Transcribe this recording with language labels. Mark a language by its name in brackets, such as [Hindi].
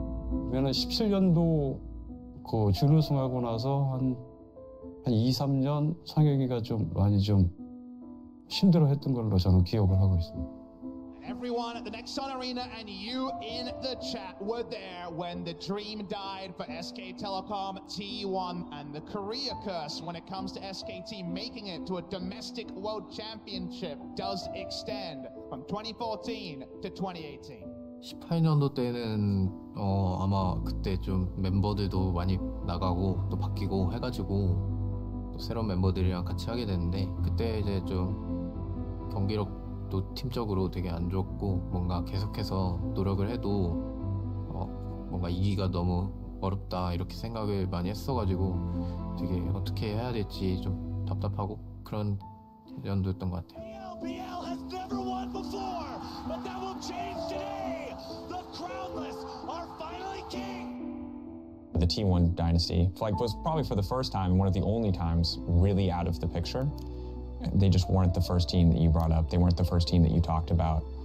[Korean] 보면은 17년도 그 준우승하고 나서 한 2, 3년 성혁이가 좀 많이 좀 힘들어 했던 걸로 저는 기억을 하고 있습니다. [English] Everyone at the Nexon Arena and you in the chat were there when the dream died for SK Telecom, T1 and the Korea curse when it comes to SKT making it to a domestic world championship does extend from 2014 to 2018. [Korean] 18년도 때는 아마 그때 좀 멤버들도 많이 나가고 또 바뀌고 해가지고 또 새로운 멤버들이랑 같이 하게 됐는데 그때 이제 좀 경기력 또 팀적으로 되게 안 좋고 뭔가 계속해서 노력을 해도 뭔가 이기가 너무 어렵다 이렇게 생각을 많이 했어가지고 되게 어떻게 해야 될지 좀 답답하고 그런 연도였던 것 같아요. [English] BLBL has never won before, but that will change today. The Crownless are finally king. The T1 dynasty like was probably for the first time, one of the only times really out of the picture. They just weren't the first team that you brought up. They weren't the first team that you talked about.